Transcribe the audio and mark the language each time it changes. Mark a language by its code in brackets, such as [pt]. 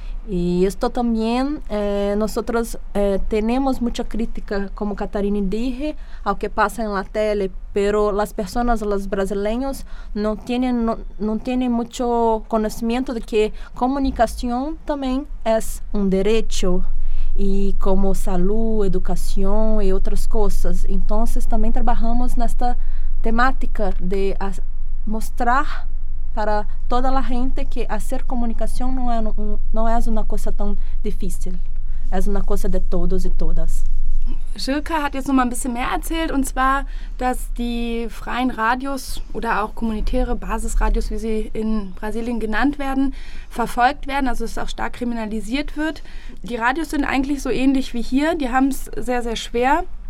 [es] Y esto también, nosotros tenemos mucha crítica, como Catarina dije, al que pasa en la tele, pero las personas, los brasileños, no tienen mucho conocimiento de que comunicación también es un derecho. [pt] e como saúde, educação e outras coisas. Então, também trabalhamos nesta temática de mostrar para toda a gente que fazer comunicação não é uma coisa tão difícil. É uma coisa de todos e todas. [de] Schilka hat jetzt noch mal ein bisschen mehr erzählt, und zwar, dass die freien Radios oder auch kommunitäre Basisradios, wie sie in Brasilien genannt werden, verfolgt werden, also es auch stark kriminalisiert wird. Die Radios sind eigentlich so ähnlich wie hier, die haben es sehr, sehr schwer.